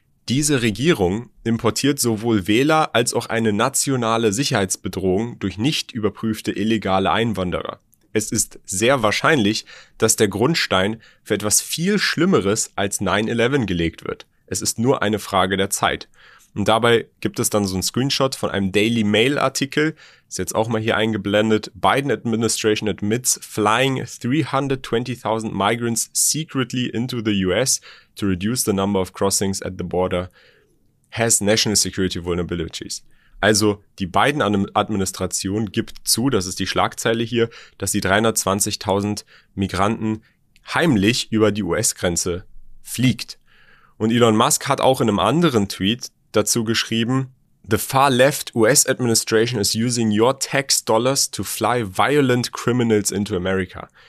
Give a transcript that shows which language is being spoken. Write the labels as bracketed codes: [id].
[de] Diese Regierung importiert sowohl Wähler als auch eine nationale Sicherheitsbedrohung durch nicht überprüfte illegale Einwanderer. Es ist sehr wahrscheinlich, dass der Grundstein für etwas viel Schlimmeres als 9-11 gelegt wird. Es ist nur eine Frage der Zeit. Und dabei gibt es dann so einen Screenshot von einem Daily Mail Artikel, ist jetzt auch mal hier eingeblendet. [en] Biden Administration admits flying 320,000 migrants secretly into the US to reduce the number of crossings at the border has national security vulnerabilities. [de] Also die Biden-Administration gibt zu, das ist die Schlagzeile hier, dass sie 320.000 Migranten heimlich über die US-Grenze fliegt. Und Elon Musk hat auch in einem anderen Tweet dazu geschrieben, [en] The far left US administration is using your tax dollars to fly violent criminals into America.